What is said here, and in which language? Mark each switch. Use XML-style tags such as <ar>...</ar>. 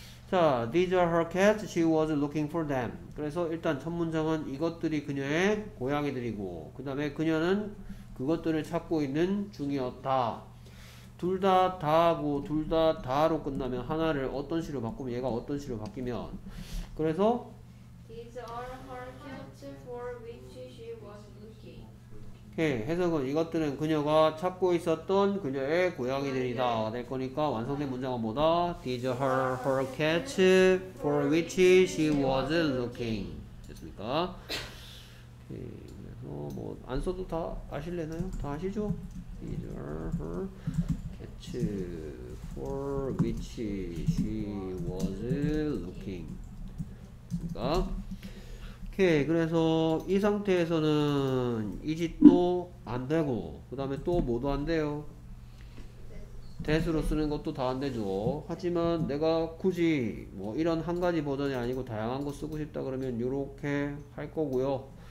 <en>자, these are her cats. She was looking for them.</en> <ko>그래서 일단 첫 문장은 이것들이 그녀의 고양이들이고, 그 다음에 그녀는 그것들을 찾고 있는 중이었다. 둘 다 다하고 둘 다 다로 끝나면 하나를 어떤 식으로 바꾸면 얘가 어떤 식으로 바뀌면. 그래서</ko> <en>these are her cats for which she was looking.</en> <ko>오케이. 해석은 이것들은 그녀가 찾고 있었던 그녀의 고양이들이다 될 거니까 완성된 문장은 뭐다?</ko> <en>These are her cats for which she was looking.</en> <ko>됐습니까? 오케이. 그래서 뭐 안 써도 다 아실래나요? 다 아시죠?</ko> <en>These are her cats for which she was looking.</en> <ko>않습니까? 오케이. 그래서 이 상태에서는 is it 또 안 되고 그 다음에 또 뭐도 안 돼요. that으로 쓰는 것도 다 안 되죠. 하지만 내가 굳이 뭐 이런 한 가지 버전이 아니고 다양한 거 쓰고 싶다 그러면 이렇게 할 거고요.</ko>